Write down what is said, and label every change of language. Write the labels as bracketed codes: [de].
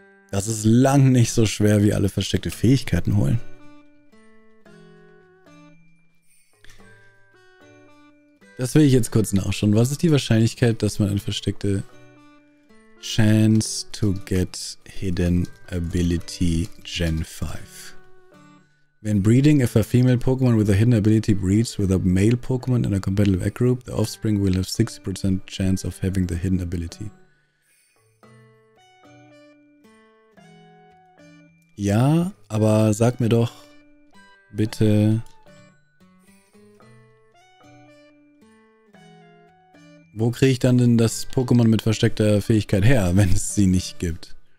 [de] Das ist lang nicht so schwer, wie alle versteckte Fähigkeiten holen. Das will ich jetzt kurz nachschauen. Was ist die Wahrscheinlichkeit, dass man eine versteckte [en] Chance to get Hidden Ability Gen 5? When breeding, if a female Pokémon with a hidden ability breeds with a male Pokémon in a competitive egg group, the offspring will have 60% chance of having the hidden ability. [de] Ja, aber sag mir doch bitte. Wo kriege ich dann denn das Pokémon mit versteckter Fähigkeit her, wenn es sie nicht gibt?